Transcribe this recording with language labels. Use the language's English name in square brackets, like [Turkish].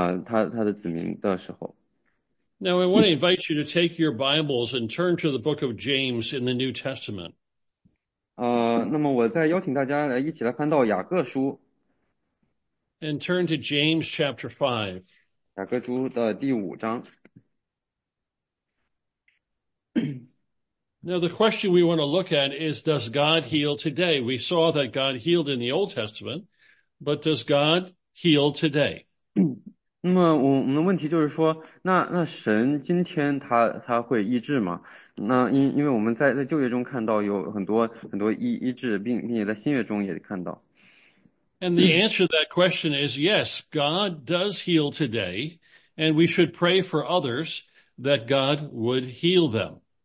[Chinese] 这只是四个事情中神医治了这些人，但当然在旧约中还有很多其他神有医治他的子民的时候。 [English] Now I want to invite you to take your Bibles and turn to the book of James in the New Testament. [Chinese] 那么我再邀请大家一起来翻到雅各书。 [English] And turn to James chapter 5. [Chinese] 雅各书的第5章。 [English] Now the question we want to look at is, does God heal today? We saw that God healed in the Old Testament, but does God heal today? [Chinese] 那么我们的问题就是说，那神今天他会医治吗？那因为我们在旧约中看到有很多医治，并且在新约中也看到。 [English] And the answer to that question is yes, God does heal today, and we should pray for others that God would heal them.